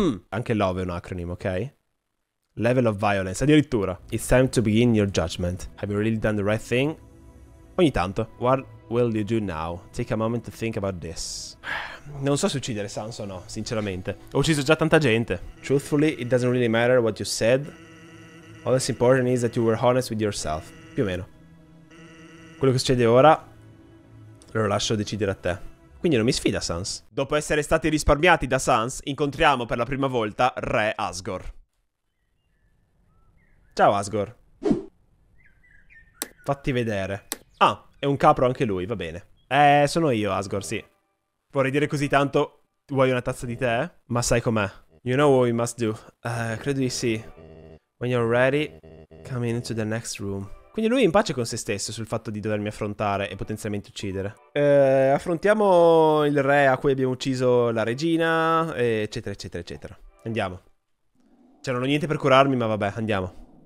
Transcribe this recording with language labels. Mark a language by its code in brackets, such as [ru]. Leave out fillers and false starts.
[it] Anche love è un acronym, ok? [en] Level of violence, [it] addirittura. [en] It's time to begin your judgment. Have you really done the right thing? [it] Ogni tanto. [en] What will you do now? Take a moment to think about this. [it] Non so se uccidere Sans o no, sinceramente. Ho ucciso già tanta gente. [en] Truthfully, it doesn't really matter what you said. All that's important is that you were honest with yourself. [it] Più o meno. Quello che succede ora lo lascio decidere a te. Quindi non mi sfida Sans. Dopo essere stati risparmiati da Sans, incontriamo per la prima volta Re Asgore. Ciao Asgore. Fatti vedere. Ah, è un capro anche lui, va bene. Sono io Asgore, sì. Vorrei dire così tanto, vuoi una tazza di tè? Ma sai com'è. [en] You know what we must do. [it] Credo di sì. [en] When you're ready, come into the next room. [it] Quindi lui è in pace con se stesso sul fatto di dovermi affrontare e potenzialmente uccidere. Affrontiamo il re a cui abbiamo ucciso la regina, eccetera, eccetera, eccetera. Andiamo. Cioè, non ho niente per curarmi, ma vabbè, andiamo.